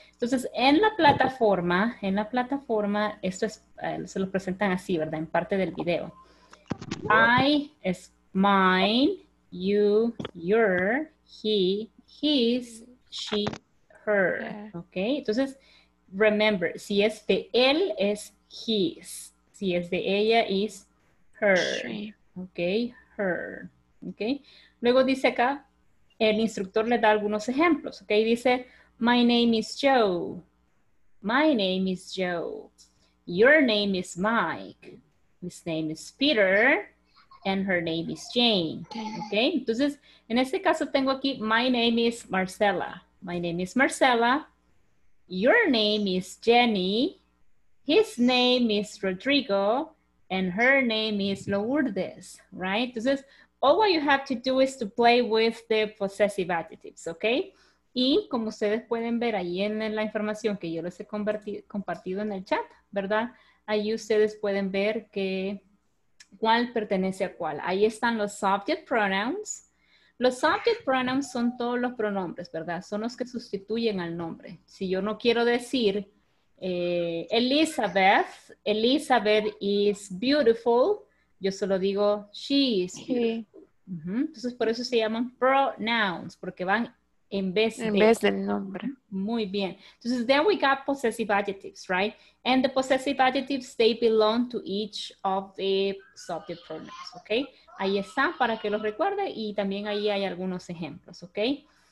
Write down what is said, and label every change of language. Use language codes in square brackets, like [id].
[es] Entonces, en la plataforma, esto es, se lo presentan así, ¿verdad? En parte del video. [en] I is mine, you, your, he, his, she, her, okay? [es] Entonces, remember, si es de él, es his. Si es de ella, [en] is her. Okay, her. Okay. [es] Luego dice acá, el instructor le da algunos ejemplos. [en] Okay, dice, my name is Joe. My name is Joe. Your name is Mike. His name is Peter. And her name is Jane. [es] Okay, entonces, en este caso tengo aquí, [en] my name is Marcela. My name is Marcela. Your name is Jenny, his name is Rodrigo, and her name is Lourdes, right? Entonces, all what you have to do is to play with the possessive adjectives, okay? [es] Y como ustedes pueden ver ahí en la información que yo les he compartido en el chat, ¿verdad? Ahí ustedes pueden ver que cuál pertenece a cuál. Ahí están los subject pronouns. Los subject pronouns son todos los pronombres, ¿verdad? Son los que sustituyen al nombre. Si yo no quiero decir [en] Elizabeth is beautiful, [es] yo solo digo [en] she is beautiful. [es] Sí. Uh-huh. Entonces, por eso se llaman pronouns, porque van en vez del nombre. Muy bien. Entonces, [en] then we got possessive adjectives, right? And the possessive adjectives, they belong to each of the subject pronouns, okay? [es] Ahí está para que los recuerde y también ahí hay algunos ejemplos, ¿ok?